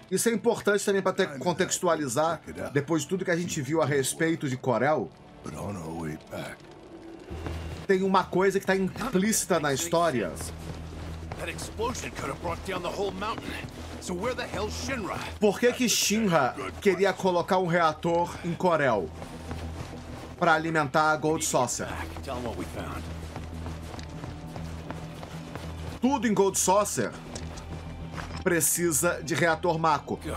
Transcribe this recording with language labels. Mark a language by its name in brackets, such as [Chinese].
[Portuguese] Isso é importante também para ter contextualizar depois de tudo que a gente viu a respeito de Corel. [English] But on our way back, [Portuguese] tem uma coisa que está implícita na história. [English] That explosion could have brought down the whole mountain. So where the hell Shinra? [Portuguese] Por que que Shinra queria colocar um reator em Corel para alimentar a Gold Saucer? [English] Tell them what we found. [Portuguese] Tudo em Gold Saucer precisa de reator Mako.